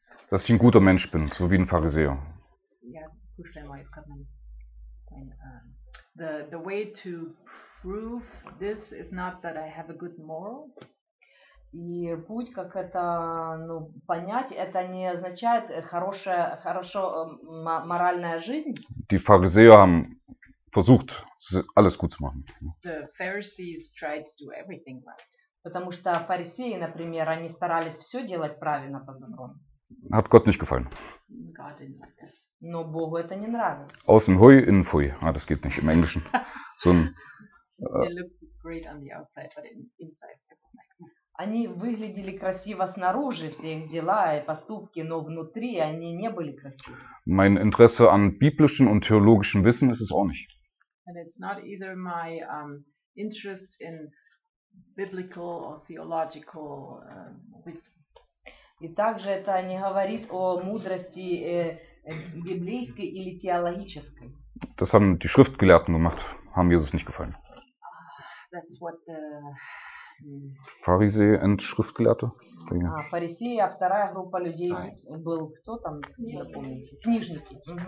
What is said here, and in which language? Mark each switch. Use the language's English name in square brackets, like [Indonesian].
[German] Dass ich ein guter Mensch bin, so wie ein Pharisäer. Ja, Prüfstein war jetzt gerade mein. [English] The way to prove this is not that I have a good moral. [Russian] И путь, как это ну, понять, это не означает хорошая, хорошо моральная жизнь. [German] Die Pharisäer haben versucht, alles gut zu machen. [English] The Pharisees tried to do everything right. [Russian] Потому что фарисеи, например, они старались все делать правильно по закону. [German] Hat Gott nicht gefallen. [English] God didn't like that. [Russian] Но Богу это не нравилось. [German] Außen hui, innen fui. Ah, das geht nicht im Englischen. So ein, [English] they looked great on the outside, but inside they were like. [Russian] Они выглядели красиво снаружи, все их дела и поступки, но внутри они не были красивы. [German] Mein Interesse an biblischem und theologischem Wissen ist es auch nicht. [English] And it's not either my interest in biblical or theological wisdom. [Russian] И также это не говорит о мудрости библейской или теологической. [German] das haben die Schriftgelehrten gemacht, haben Jesus nicht gefallen. [English] That's what the Pharisee and Schriftgelehrte? [Russian] А, фарисеи, а вторая группа людей был кто там, не запомните, книжники.